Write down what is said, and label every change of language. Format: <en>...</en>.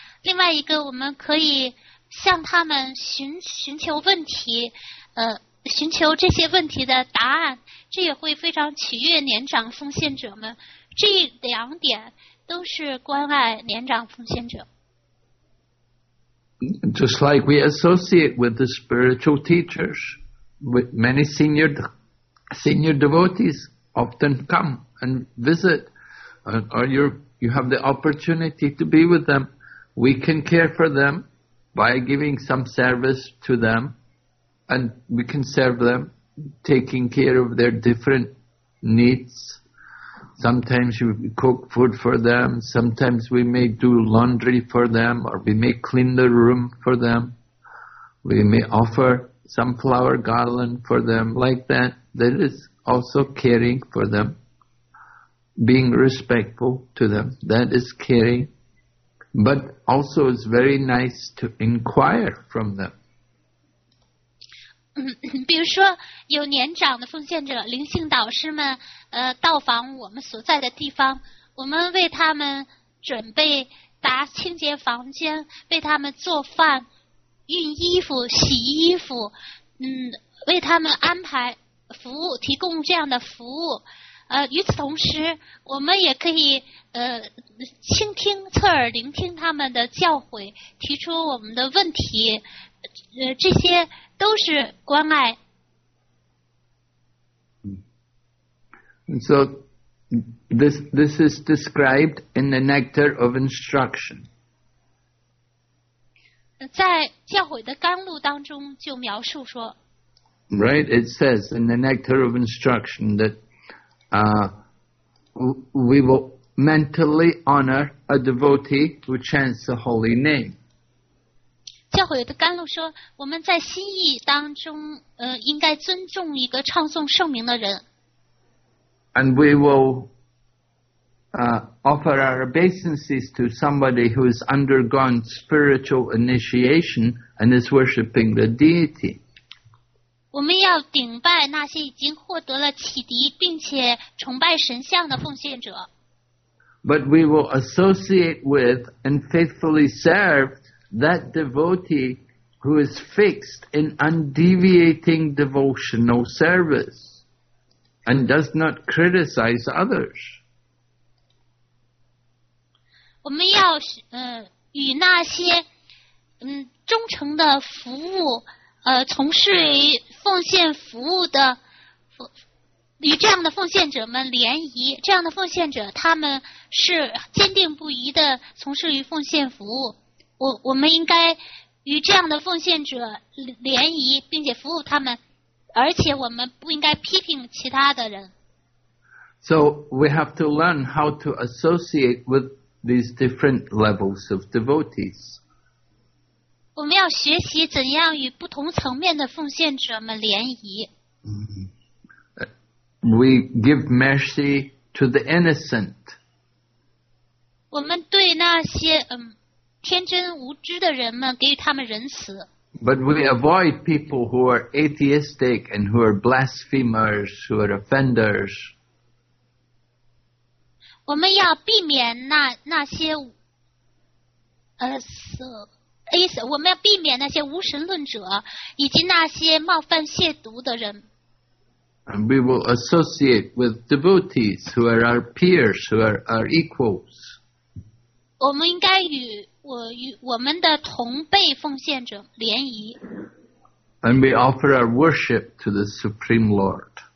<zh>另外一个，我们可以向他们寻求问题，寻求这些问题的答案，这也会非常取悦年长奉献者们。这两点都是关爱年长奉献者。</zh> <en>Just like we associate with the spiritual teachers, with many senior devotees often come and visit, or you have the opportunity to be with them. We can care for them by giving some service to them, and we can serve them, taking care of their different needs. Sometimes we cook food for them. Sometimes we may do laundry for them, or we may clean the room for them. We may offer some flower garland for them like that. That is also caring for them. Being respectful to them, that is caring. But also it's very nice to inquire from them.</en> <zh>比如说有年长的奉献者灵性导师们到访我们所在的地方，我们为他们准备打清洁房间，为他们做饭熨衣服洗衣服，为他们安排服务，提供这样的服务。与此同时，我们也可以倾听、侧耳聆听他们的教诲，提出我们的问题，这些都是关爱。</zh> <en>So this is described in the Nectar of Instruction.</en> <zh>在教诲的纲录当中就描述说。</zh> <en>Right, it says in the Nectar of Instruction that we will mentally honor a devotee who chants the holy name.</en> <zh>教诲的纲录说，我们在心意当中，应该尊重一个唱诵圣名的人。</zh> <en>And we will offer our obeisances to somebody who has undergone spiritual initiation and is worshipping the deity.</en> <zh>我们要顶拜那些已经获得了启迪并且崇拜神像的奉献者。</zh> <en>But we will associate with and faithfully serve that devotee who is fixed in undeviating devotional service. And does not criticize others.</en> <zh>我们要与那些忠诚的服务从事奉献服务的与这样的奉献者们联谊，这样的奉献者他们是坚定不移的从事于奉献服务，我们应该与这样的奉献者联谊并且服务他们，而且我们不应该批评其他的人。</zh> <en>So we have to learn how to associate with these different levels of devotees.</en> <zh>我们要学习怎样与不同层面的奉献者们联谊。</zh> <en>We give mercy to the innocent.</en> <zh>我们对那些天真无知的人们给予他们仁慈。</zh> <en>But we avoid people who are atheistic and who are blasphemers, who are offenders.</en> <zh>我们要避免那些我们要避免那些无神论者以及那些冒犯亵渎的人。</zh> <en>And we will associate with devotees who are our peers, who are our equals.</en> <zh>我们应该与我们的同辈奉献者联谊。</zh> <en>And we offer our worship to the Supreme Lord.</en>